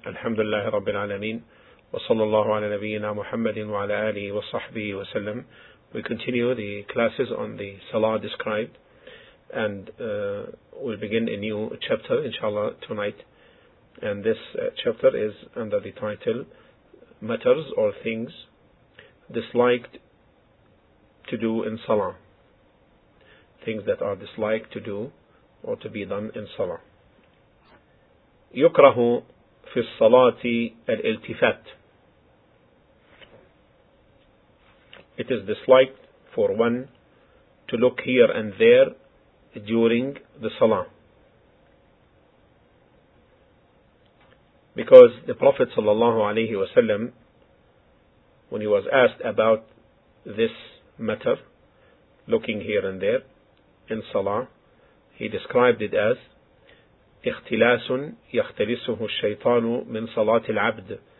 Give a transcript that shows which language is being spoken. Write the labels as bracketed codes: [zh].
[ar] الحمد لله رب العالمين، وصلى الله على نبينا محمد وعلى آله وصحبه وسلم. [en] We continue the classes on the Salah described, and we'll begin a new chapter inshallah tonight. And this chapter is under the title Matters or Things Disliked to Do in Salah. Things that are disliked to do or to be done in Salah. [ar] يكره في الصلاة الالتفات. [en] It is disliked for one to look here and there during the Salah. Because the Prophet sallallahu alayhi wa sallam, when he was asked about this matter, looking here and there in Salah, he described it as [ar] اختلاس يختلسه الشيطان من صلاة العبد.